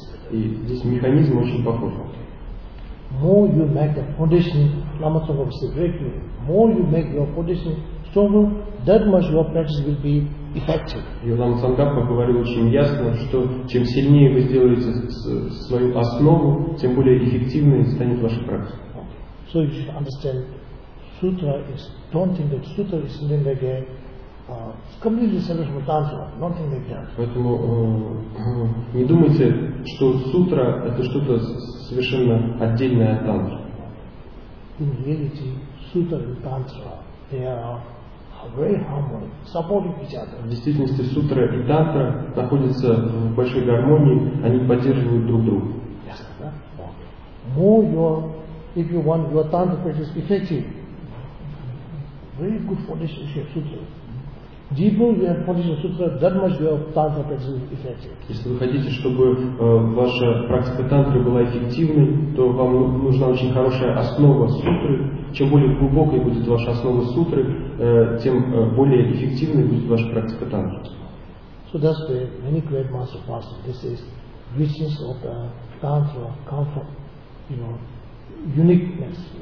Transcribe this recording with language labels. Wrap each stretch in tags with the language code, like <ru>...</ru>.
<ru>И здесь механизм очень похож.</ru> <en>More you make the foundation, Lama Tsongkhapa will say very clearly, more you make your foundation stronger, that much your practice will be effective.</en> <ru>Лама Цонгапа говорил очень ясно, что чем сильнее вы сделаете свою основу, тем более эффективной станет ваша практика.</ru> <en>So you should understand, sutra is, don't think that sutra is something like a completely separate from tantra, don't think like that.</en> <ru>Поэтому не думайте, что сутра это что-то совершенно отдельное от тантры.</ru> <en>In reality, sutra and tantra, they are very harmony, supporting each other.</en> <ru>В действительности сутра и тантра находятся в большой гармонии, они поддерживают друг друга.</ru> <en>Yes, more your, if you want your tantra practice effective, very good foundation is your sutra. Deeper you have foundation sutra, that much your tantra practice is effective.</en> <ru>Если вы хотите, чтобы ваша практика тантры была эффективной, то вам нужна очень хорошая основа сутры. Чем более глубокой будет ваша основа сутры, тем более эффективной будет ваша практика тантры.</ru> <en>So that's why many great master pastors, this is richness of the tantra come from, you know, uniqueness.</en>